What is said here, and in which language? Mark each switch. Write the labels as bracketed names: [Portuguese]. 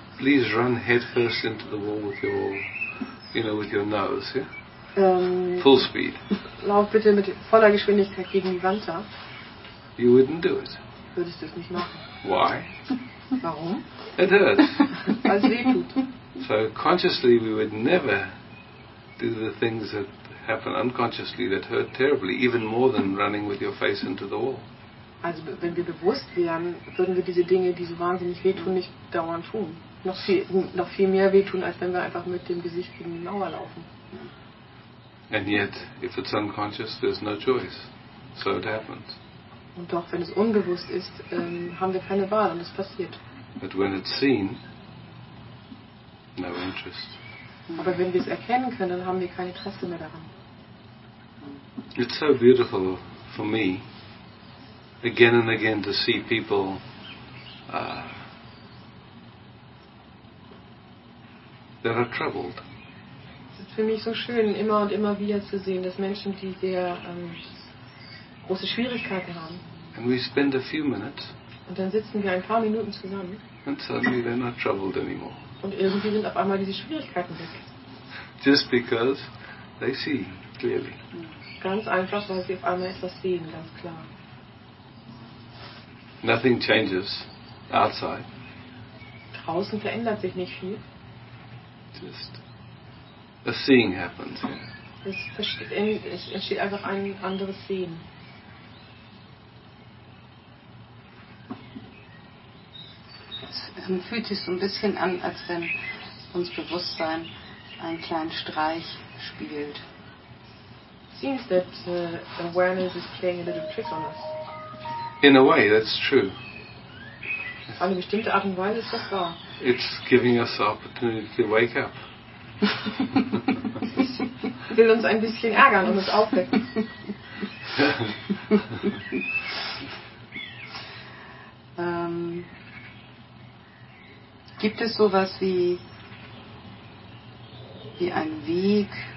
[English] please run head first into the wall with your, you know, with your nose, yeah? Full speed. [German] Lauf bitte mit voller Geschwindigkeit gegen die Wand da. [English] You wouldn't do it. [German] Würdest du es nicht machen. [English] Why? [German] Warum? [English] It hurts. [German] Weil es weh tut. [English] So consciously we would never do the things that happen unconsciously that hurt terribly, even more than running with your face into the wall. [German] Also, wenn wir bewusst wären, würden wir diese Dinge, die so wahnsinnig wehtun, nicht dauernd tun. Noch viel mehr wehtun, als wenn wir einfach mit dem Gesicht gegen die Mauer laufen. [English] And yet, if it's unconscious, there's no choice. So it happens. [German] Und doch, wenn es unbewusst ist, haben wir keine Wahl und es passiert. [English] But when it's seen, no interest. [German] Aber wenn wir es erkennen können, dann haben wir kein Interesse mehr daran. [English] It's so beautiful for me, again and again, to see people that are troubled. [German] Es ist für mich so schön, immer und immer wieder zu sehen, dass Menschen, die sehr große Schwierigkeiten haben, [English] and we spend a few minutes, [German] und dann sitzen wir ein paar Minuten zusammen, [English] and suddenly they're not troubled anymore. [German] Und irgendwie sind auf einmal diese Schwierigkeiten weg. [English] Just because they see clearly. [German] Ganz einfach, weil sie auf einmal etwas sehen, ganz klar. [English] Nothing changes outside. [German] Draußen verändert sich nicht viel. [English] Just a seeing happens. [German] Es entsteht einfach ein anderes Sehen. Fühlt sich so ein bisschen an, als wenn uns Bewusstsein einen kleinen Streich spielt. [English] Seems that awareness is playing a little trick on us. In a way, that's true. [German] Auf eine bestimmte Art und Weise ist das wahr. [English] It's giving us the opportunity to wake up. [German] Will uns ein bisschen ärgern und uns aufwecken. Gibt es sowas wie einen Weg?